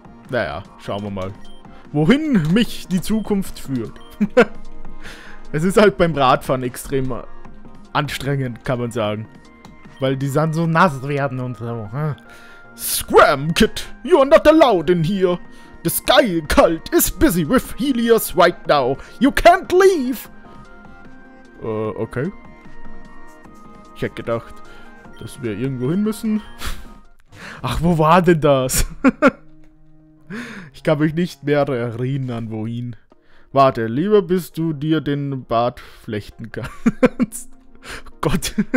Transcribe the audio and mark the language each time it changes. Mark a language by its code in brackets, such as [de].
[de] Naja, schauen wir mal. Wohin mich die Zukunft führt. Es ist halt beim Radfahren extrem anstrengend, kann man sagen. Weil die dann so nass werden und so. [en] Hm? Scram, Kid! You're not allowed in here! The Sky Cult is busy with Helios right now! You can't leave! Okay. [de] Ich hätte gedacht, dass wir irgendwo hin müssen. Ach, wo war denn das? Ich kann mich nicht mehr erinnern, wohin. Warte, lieber bis du dir den Bart flechten kannst. Gott.